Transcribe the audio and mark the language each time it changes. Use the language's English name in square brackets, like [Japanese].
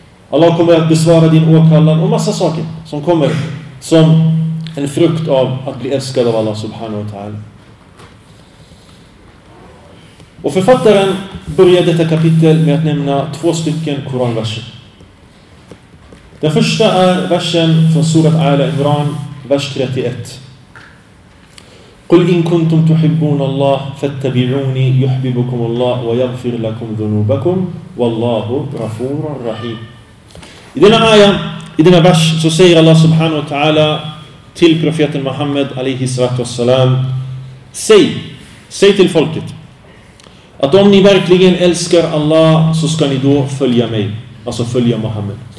[Swedish] Allah kommer att besvara din åkallan och massa saker som kommer som en frukt av att bli älskad av Allah subhanahu wa ta'ala. Och författaren börjar detta kapitel med att nämna två stycken koranverser. Den första är versen från surat Ala Imran, vers 31. [Arabic] قل إن كنتم تحبون الله فاتبعوني يحببكم الله ويغفر لكم ذنوبكم والله غفور رحيم. [Swedish] I denna aya, i denna vers, så säger Allah subhanahu wa ta'ala till profeten Muhammad alayhi salatu wassalam, säg till folket att om ni verkligen älskar Allah, så ska ni då följa mig, alltså följa Muhammad.